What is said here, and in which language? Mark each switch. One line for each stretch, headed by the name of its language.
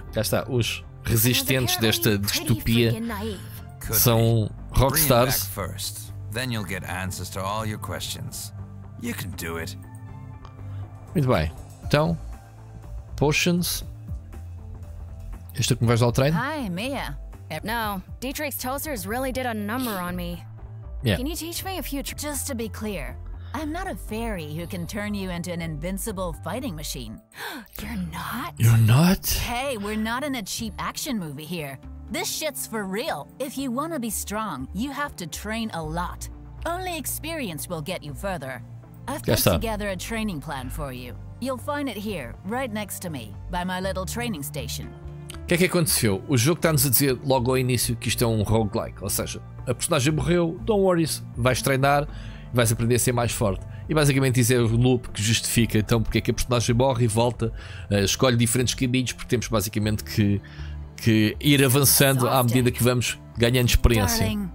Portuguese: Cá está, os resistentes desta distopia são rockstars.
English: First, then you'll get answers to all your questions. You can do it.
Portuguese: Muito bem. Então, potions. Este é que me vais ao treino?
English: Hi, Mia. No, Dietrich's toasters really did a number on me. Yeah. Can you teach me a few tricks? Just to be clear, I'm not a fairy who can turn you into an invincible fighting machine. You're not? You're not? Hey, we're not in a cheap action movie here. This shit's for real. If you want to be strong, you have to train a lot. Only experience will get you further. I've put together a training plan for you. You'll find it here, right next to me, by my little training station.
Portuguese: O que é que aconteceu? O jogo está-nos a dizer logo ao início que isto é um roguelike. Ou seja, a personagem morreu,
English: don't worry,
Portuguese: vais treinar e vais aprender a ser mais forte. E basicamente isso é o loop que justifica então porque é que a personagem morre e volta, escolhe diferentes caminhos, porque temos basicamente que ir avançando à medida que vamos ganhando experiência.